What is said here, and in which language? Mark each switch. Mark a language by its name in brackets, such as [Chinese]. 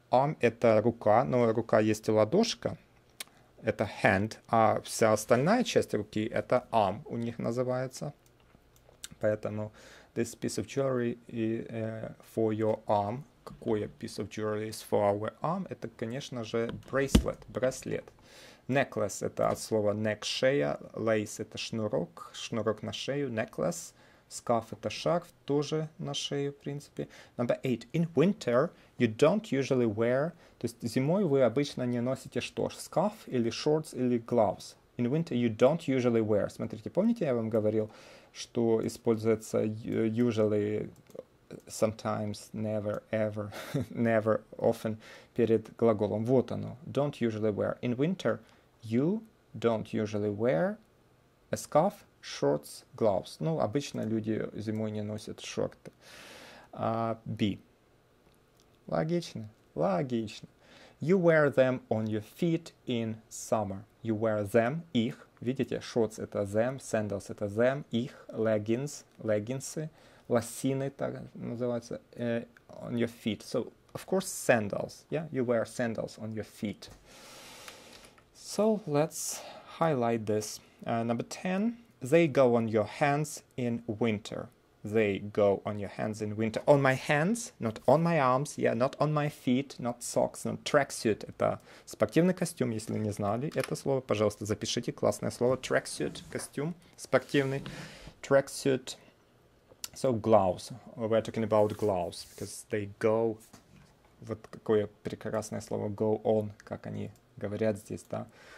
[Russian] Arm – это рука, но рука есть и ладошка. Это hand, а вся остальная часть руки – это arm у них называется. Поэтому [English] this piece of jewelry for your arm. [Russian] Какое [English] piece of jewelry is for our arm? [Russian] Это, конечно же, bracelet, браслет. Necklace – это от слова neck, шея. Lace – это шнурок, шнурок на шею. [English] Necklace. [Russian] Scarf – это шарф, тоже на шею, в принципе. [English] Number 8. In winter, you don't usually wear… [Russian] То есть зимой вы обычно не носите что? [English] Scarf или shorts или gloves. In winter, you don't usually wear. [Russian] Смотрите, помните, я вам говорил, что используется usually… Sometimes, never, ever, never, often перед глаголом. Вот оно. [English] Don't usually wear. In winter, you don't usually wear a scarf, shorts, gloves. [Russian] Ну, обычно люди зимой не носят шорты. B. Логично. Логично. [English] You wear them on your feet in summer. You wear them, их. [Russian] Видите, [English] shorts – это them, sandals – это them, их, leggings, leggings'ы. [Russian] Лосины, так называется, on your feet. [English] So, of course, sandals. Yeah, you wear sandals on your feet. So, let's highlight this. Number 10. They go on your hands in winter. They go on your hands in winter. On my hands, not on my arms. Yeah, not on my feet, not socks, not tracksuit. [Russian] Это спортивный костюм, если не знали это слово. Пожалуйста, запишите классное слово. [English] Tracksuit, костюм спортивный. Tracksuit. So, gloves. We're talking about gloves, because they go... [Russian] Вот какое прекрасное слово go on, как они говорят здесь, да?